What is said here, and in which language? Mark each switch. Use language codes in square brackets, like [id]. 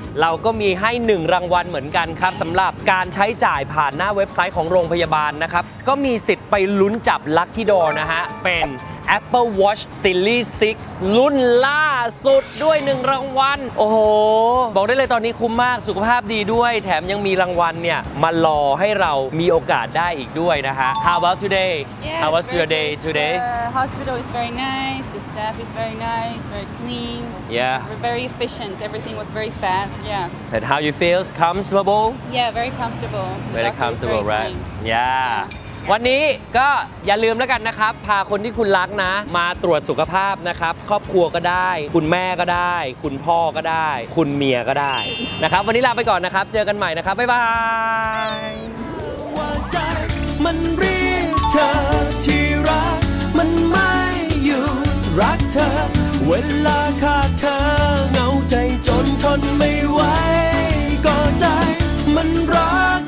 [th] เราก็มีให้1รางวัลเหมือนกันครับสำหรับการใช้จ่ายผ่านหน้าเว็บไซต์ของโรงพยาบาลนะครับก็มีสิทธิ์ไปลุ้นจับลัคกี้ดอร์นะฮะเป็นApple Watch Series 6รุ่นล่าสุดด้วย1รางวัลโอ้โหบอกได้เลยตอนนี้คุ้มมากสุขภาพดีด้วยแถมยังมีรางวัลเนี่ยมารอให้เรามีโอกาสได้อีกด้วยนะฮะ [en] How about today? Yeah, How was your day today? The hospital is very nice, the staff is very nice, very clean. Yeah. We're very efficient, everything was very fast, yeah. And how you feel? Comfortable? Yeah, very comfortable. Very comfortable, very right? Clean. Yeah. [th] วันนี้ก็อย่าลืมแล้วกันนะครับพาคนที่คุณรักนะมาตรวจสุขภาพนะครับครอบครัวก็ได้คุณแม่ก็ได้คุณพ่อก็ได้คุณเมียก็ได้นะครับวันนี้ลาไปก่อนนะครับเจอกันใหม่นะครับบ๊ายบายวางใจมันเรียกเธอที่รักมันไม่อยู่รักเธอเวลาขาดเธอเหงาใจจนทนไม่ไหวก่อใจมันร้อง